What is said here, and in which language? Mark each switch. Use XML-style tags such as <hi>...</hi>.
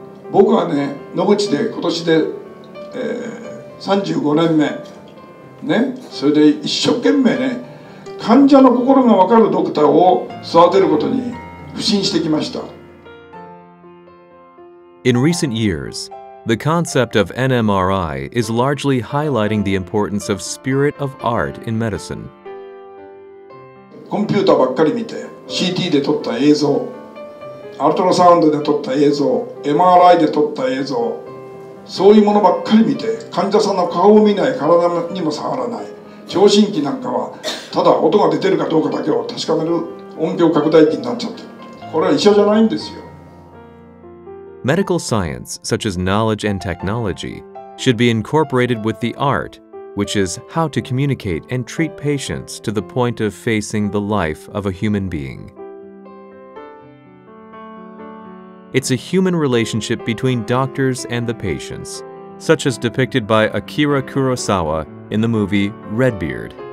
<ja>僕はね、野口で今年で、35年目ね、それで一生懸命ね、患者の心が分かるドクターを育てることに腐心してきました。</ja> <en>In recent years, the concept of NMRI is largely highlighting the importance of spirit of art in medicine.</en> <ja>コンピューターばっかり見て、 CT で撮った映像、アルトラサウンドで撮った映像、 MRI で撮った映像、そういうものばっかり見て、患者さんの顔を見ない、体にも触らない、聴診器なんかはただ音が出てるかどうかだけを確かめる音響拡大器になっちゃってる。これは医者じゃないんですよ。</ja> <en>Medical science, such as knowledge and technology, should be incorporated with the art, which is how to communicate and treat patients to the point of facing the life of a human being. It's a human relationship between doctors and the patients, such as depicted by Akira Kurosawa in the movie Redbeard.</en>